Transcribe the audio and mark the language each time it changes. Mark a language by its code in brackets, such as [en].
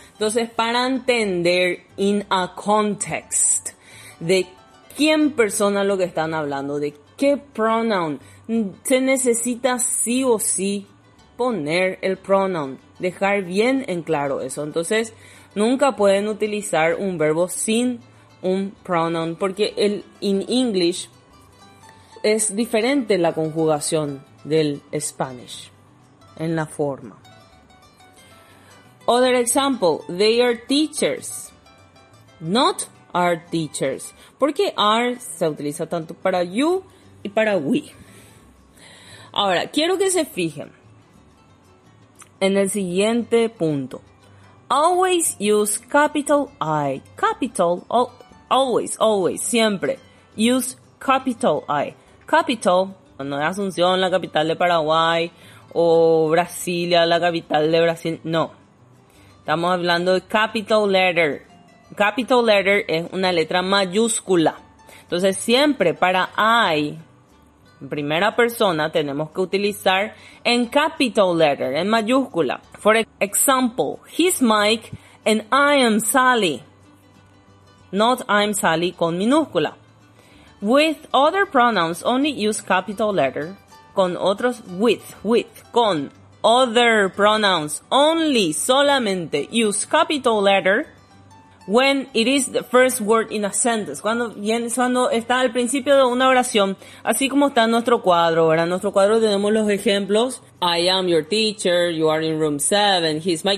[es] Entonces, para entender [en] in a context [es] de quién persona lo que están hablando, de qué pronoun, se necesita sí o sí poner el pronoun, dejar bien en claro eso. Entonces, nunca pueden utilizar un verbo sin un pronoun, porque el [en] in English [es] es diferente la conjugación del Spanish en la forma. [en] Other example, they are teachers, not are teachers. [es] ¿Por qué are se utiliza tanto para you y para we? Ahora, quiero que se fijen en el siguiente punto. [en] Always use capital I. Capital, always, always, [es] siempre. [en] Use capital I. [es] Capital, cuando es Asunción la capital de Paraguay o Brasilia la capital de Brasil, no. Estamos hablando de capital letter. Capital letter es una letra mayúscula. Entonces, siempre para I, en primera persona, tenemos que utilizar en capital letter, en mayúscula. [en] For example, he's Mike and I am Sally. Not I'm Sally [es] con minúscula. [en] With other pronouns, only use capital letter. [es] Con otros, [en] with, con other pronouns only, [es] solamente, [en] use capital letter when it is the first word in a sentence. [es] Cuando viene, cuando está al principio de una oración, así como está en nuestro cuadro, ¿verdad? En nuestro cuadro tenemos los ejemplos. [en] I am your teacher, you are in room 7, he's my...